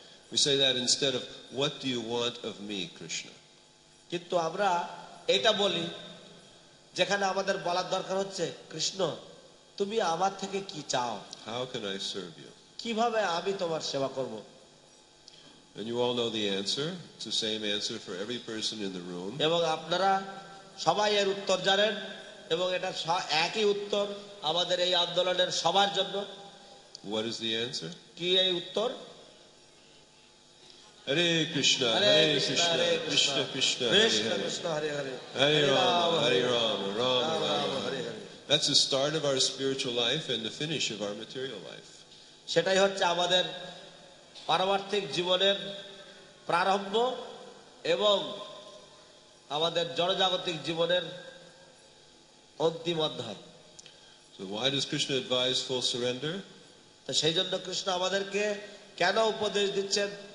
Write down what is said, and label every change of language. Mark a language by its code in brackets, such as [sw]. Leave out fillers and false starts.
[en] We say that instead of, what do you want of me, Krishna? [bn] কিন্তু আমরা এটা বলি যেখানে আমাদের বলার দরকার হচ্ছে কৃষ্ণ তুমি আমার থেকে কি চাও [en] How can I serve you? [bn] কিভাবে আমি তোমার সেবা করব [en] And you all know the answer it's the same answer for every person in the room [bn] এবং আপনারা সবাই এর উত্তর জানেন এবং এটা একই উত্তর আমাদের এই আন্দোলনের সবার জন্য [en] What is the answer? [bn] কি এই উত্তর [sa] Hare Krishna, Hare Krishna, Krishna Krishna, Krishna Krishna, Hare Hare, Hare Rama, Hare Rama, Rama Rama, Hare Hare. [en] That's the start of our spiritual life and the finish of our material life. [bn] সেটাই হচ্ছে আমাদের পারমার্থিক জীবনের প্রারম্ভ এবং আমাদের জড়জাগতিক জীবনের অন্তিম অধ্যায়। [en] So why does Krishna advise full surrender? [bn] তো সেই জন্য কৃষ্ণ আমাদেরকে কেন উপদেশ দিচ্ছেন?